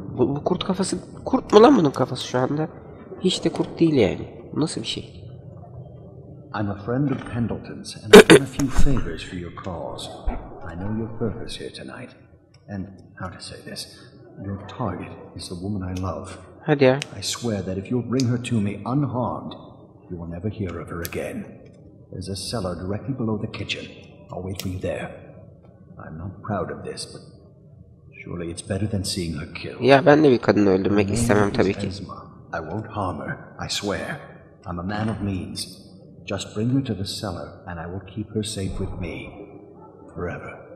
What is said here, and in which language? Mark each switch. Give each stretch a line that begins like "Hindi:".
Turkish: Bu kurt kafası, kurt mu lan bunun kafası şu anda? Hiç de kurt değil yani. Nasıl bir şey?
English: I'm a friend of Pendleton's and I've done a few favors for your cause. I know your purpose here tonight. And how to say this? Your target is the woman I love.
Turkish: Hadi ya.
English: I swear that if you'll bring her to me unharmed, you will never hear of her again. There's a cellar directly below the kitchen. I'll wait for you there. I'm not proud of this, but surely it's better than seeing her killed.
Turkish: Ya ben de bir kadını öldürmek istemem tabii ki. Esma.
English: I won't harm her, I swear. I'm a man of means. Just bring her to the cellar and I will keep her safe with me forever.